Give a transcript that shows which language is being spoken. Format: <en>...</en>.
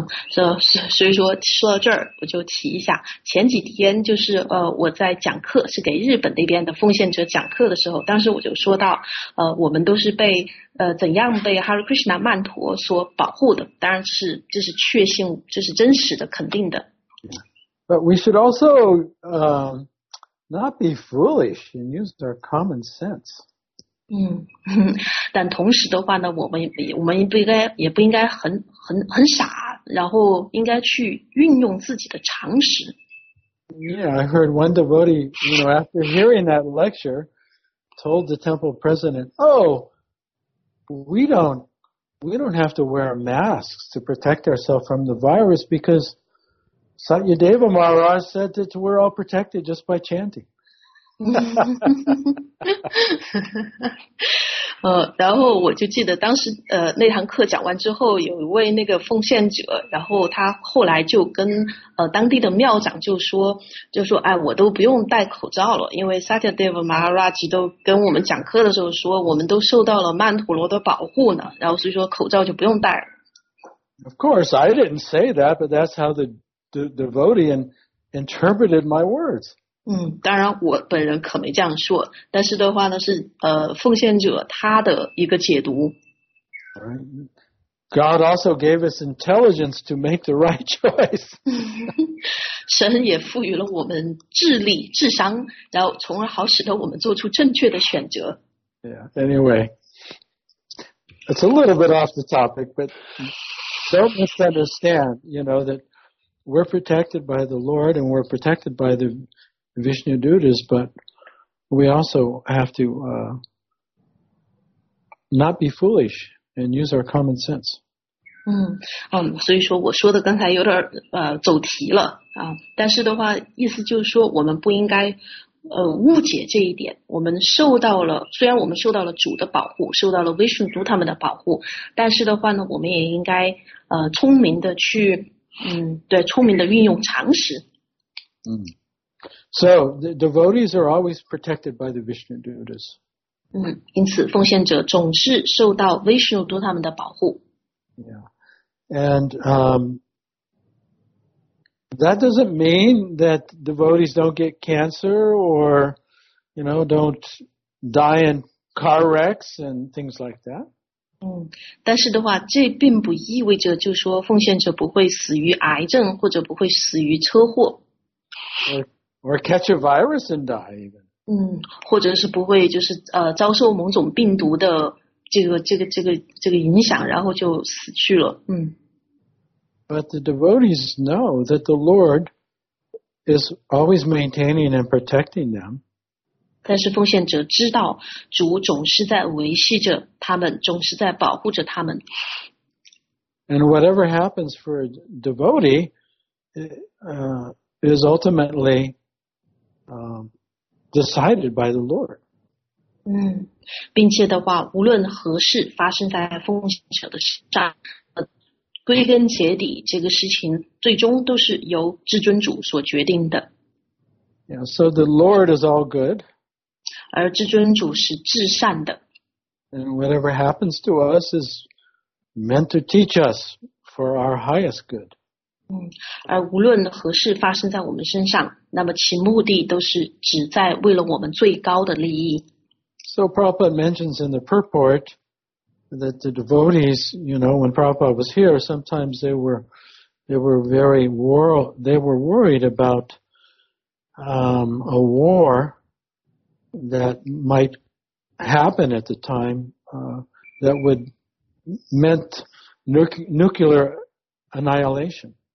<zh>So 我在讲课是给日本那边的奉献者讲课的时候，当时我就说到，我们都是被怎样被 Hare Krishna 曼陀所保护的，当然这是确信，这是真实的，肯定的。But</zh> <en>we should also not be foolish and use our common sense.</en> <zh>但同时的话呢，我们也不应该很傻，然后应该去运用自己的常识。</zh> <en>Yeah, I heard one devotee, after hearing that lecture, told the temple president, "Oh, we don't have to wear masks to protect ourselves from the virus because Satyadeva Maharaj said that we're all protected just by chanting."</en> <zh>然后我就记得当时那堂课讲完之后，有一位那个奉献者，然后他后来就跟当地的庙长就说，哎，我都不用戴口罩了，因为 Satyadeva Maharaj 都跟我们讲课的时候说，我们都受到了曼陀罗的保护呢，然后所以说口罩就不用戴了。</zh> <en>Of course, I didn't say that, but that's how the devotee interpreted my words.</en> <zh>当然我本人可没这样说，但是的话呢是奉献者他的一个解读。</zh> <en>God also gave us intelligence to make the right choice.</en> <zh>神也赋予了我们智力、智商，然后从而好使得我们做出正确的选择。</zh> <en>Yeah, anyway, it's a little bit off the topic, but don't misunderstand, that we're protected by the Lord and we're protected by the Vishnu Dutas, but we also have to not be foolish and use our common sense.</en> <zh>所以说我说的刚才有点走题了啊，但是的话，意思就是说我们不应该误解这一点。我们受到了，虽然我们受到了主的保护，受到了 Vishnu Dutas 他们的保护，但是的话呢，我们也应该聪明的去对，聪明的运用常识。</zh> <en>So, the devotees are always protected by the Vishnu Dutas.</en> <zh>因此奉献者总是受到 Vishnu Dutas 他们的保护。</zh> <en>And that doesn't mean that devotees don't get cancer or, don't die in car wrecks and things like that.</en> <zh>但是的话，这并不意味着就说奉献者不会死于癌症或者不会死于车祸。</zh> <en>Or catch a virus and die, even.</en> <zh>或者是不会就是遭受某种病毒的这个影响，然后就死去了。</zh> <en>But the devotees know that the Lord is always maintaining and protecting them.</en> <zh>但是奉献者知道，主总是在维系着他们，总是在保护着他们。</zh> <en>And whatever happens for a devotee, is ultimately decided by the Lord.</en> <zh>并且的话，无论何事发生在奉献者的身上，归根结底，这个事情最终都是由至尊主所决定的。</zh> <en>Yeah, so the Lord is all good.</en> <zh>而至尊主是至善的。</zh> <en>And whatever happens to us is meant to teach us for our highest good.</en> <zh>而无论何事发生在我们身上，那么其目的都是旨在为了我们最高的利益。</zh> <en>So Prabhupada mentions in the purport that the devotees, when Prabhupada was here, sometimes they were worried about a war that might happen at the time that would meant nuclear annihilation.</en>